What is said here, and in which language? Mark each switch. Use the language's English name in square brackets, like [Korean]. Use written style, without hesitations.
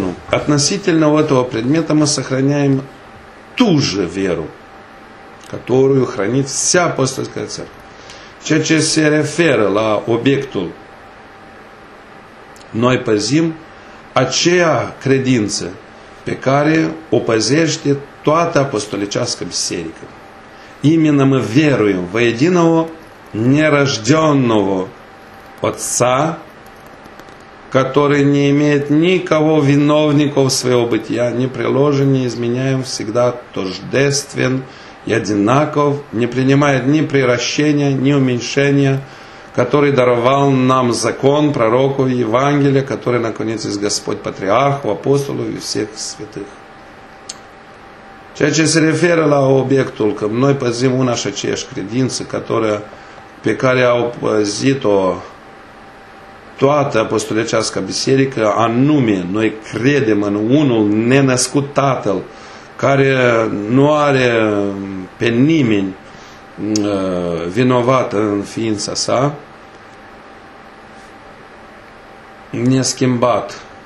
[Russian] Относительно этого предмета мы сохраняем ту же веру, которую хранит вся апостольская церковь. [Romanian] Ceea ce se referă la obiectul noi păzim, aceea credință pe care o păzește toată apostolicească biserică. [Russian] Именно мы веруем во единого нерожденного Отца, который не имеет никого виновников своего бытия, не приложен, не изменяем, всегда тождествен и одинаков, не принимает ни приращения, ни уменьшения, который даровал нам закон, пророку и Евангелие, который, наконец, из Господь патриарху, апостолу и всех святых. [Romanian] Ceea ce se referă la obiectul, că noi păzim una și aceeași credință, [Russian] которая, [Romanian] pe care au păzit-o toată apostolicească biserică, anume, noi credem în unul nenăscut Tatăl, care nu are pe nimeni vinovat în ființa sa, neschimbat,